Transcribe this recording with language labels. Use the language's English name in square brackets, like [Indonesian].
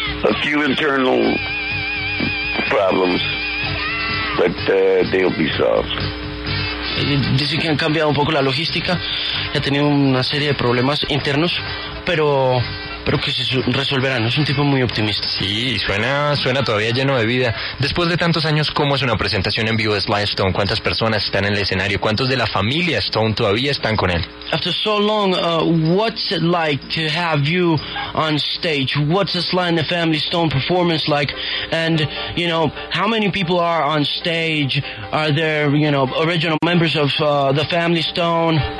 [English] A few internal problems, but they'll be solved. [Spanish] Dice que han cambiado un poco la logística, ha tenido una serie de problemas internos, pero pero que se resolverán. Es un tipo muy optimista. Sí, suena todavía lleno de vida. Después de tantos años, ¿cómo es una presentación en vivo de Sly Stone? ¿Cuántas personas están en el escenario? ¿Cuántos de la familia Stone todavía están con él? [English] After so long, what's it like to have you on stage? What's the Sly and the Family Stone performance like? And, you know, how many people are on stage? Are there, you know, original members of the Family Stone?